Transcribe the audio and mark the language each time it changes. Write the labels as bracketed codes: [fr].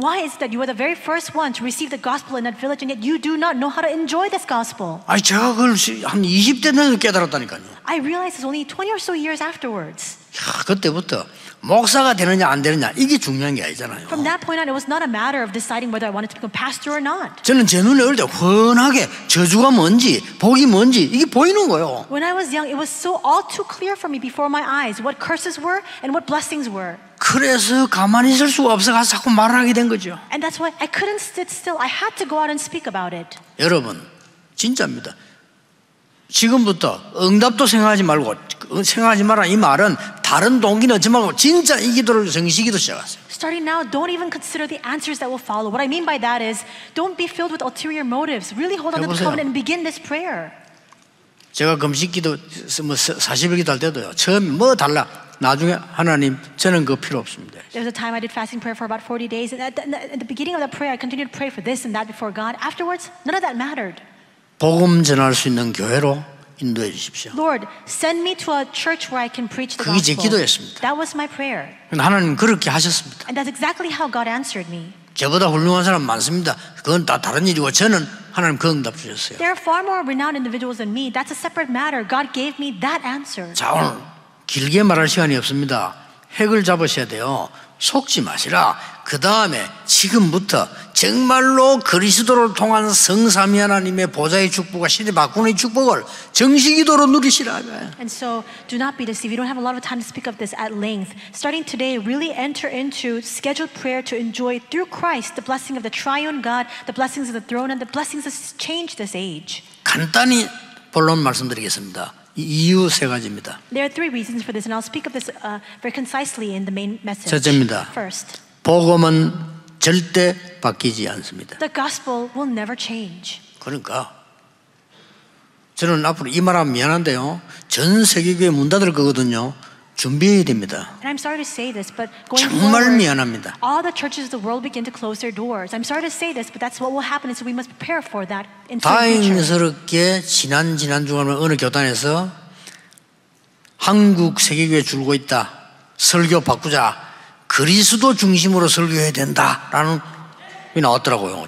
[en] Why is that you were the very first one to receive the gospel in that village and yet you do not know how to enjoy this gospel? [ko] 아니, 제가 그걸 한 20대 내에 깨달았다니까요. [en] I realized this only 20 or so years afterwards. [ko] 야, 그때부터 목사가 되느냐 안 되느냐 이게 중요한 게 아니잖아요. [en] From that point on, it was not a matter of deciding whether I wanted to become pastor or not. [ko] 저는 제 눈에 올 때 훤하게 저주가 뭔지 복이 뭔지 이게 보이는 거예요. [en] When I was young, it was so all too clear for me before my eyes what curses were and what blessings were. [ko] 그래서 가만히 있을 수가 없어서 자꾸 말을 하게 된 거죠. [en] And that's why I couldn't sit still. I had to go out and speak about it. [ko] 여러분, 진짜입니다. 지금부터 응답도 생각하지 말고 생각하지 마라 이 말은 다른 동기는 얻지 말고 진짜 이 기도를 정식 기도 시작하세요. [en] Starting now, don't even consider the answers that will follow. What I mean by that is, don't be filled with ulterior motives. Really hold on to the covenant and begin this prayer. [ko] 제가 금식기도 뭐 40일 기도할 때도요. 처음 뭐 달라. 나중에 하나님 저는 그거 필요 없습니다. [en] There was a time I did fasting prayer for about 40 days and at the beginning of the prayer I continued to pray for this and that before God. Afterwards, none of that mattered. [ko] 복음 전할 수 있는 교회로 인도해 주십시오. [en] Lord, send me to a church where I can preach the [ko] gospel. 그게 제 기도였습니다. [en] That was my prayer. [ko] 하나님 그렇게 하셨습니다. [en] And that's exactly how God answered me. [ko] 저보다 훌륭한 사람 많습니다. 그건 다 다른 일이고 저는 하나님 그 응답 주셨어요. [en] There are far more renowned individuals than me. That's a separate matter. God gave me that answer. [ko] 자, 오늘 길게 말할 시간이 없습니다. 핵을 잡으셔야 돼요. 속지 마시라. 그 다음에 지금부터 정말로 그리스도를 통한 성삼위 하나님의 보좌의 축복과 신의 바꾸는 축복을 정식기도로 누리시라. [en] And so do not be deceived. We don't have a lot of time to speak of this at length. Starting today, really enter into scheduled prayer to enjoy through Christ the blessing of the triune God, the blessings of the throne, and the blessings that change this age. [ko] 간단히 본론 말씀드리겠습니다. 이유 세 가지입니다. [en] There are three reasons for this, and I'll speak of this very concisely in the main message. [ko] 첫째입니다. [en] First, [ko] 복음은 절대 바뀌지 않습니다. [en] The gospel will never change. [ko] 그러니까 저는 앞으로 이 말하면 미안한데요, 전 세계교회 문 닫을 거거든요. 준비해야 됩니다. [en] And I'm sorry to say this, but going forward, [ko] 정말 미안합니다. [en] All the churches of the world begin to close their doors. I'm sorry to say this, but that's what will happen, so we must prepare for that in the future. [ko] 다행스럽게 지난 주간에 어느 교단에서 한국 세계교회 줄고 있다. 설교 바꾸자. 그리스도 중심으로 설교해야 된다라는 게 나왔더라고요.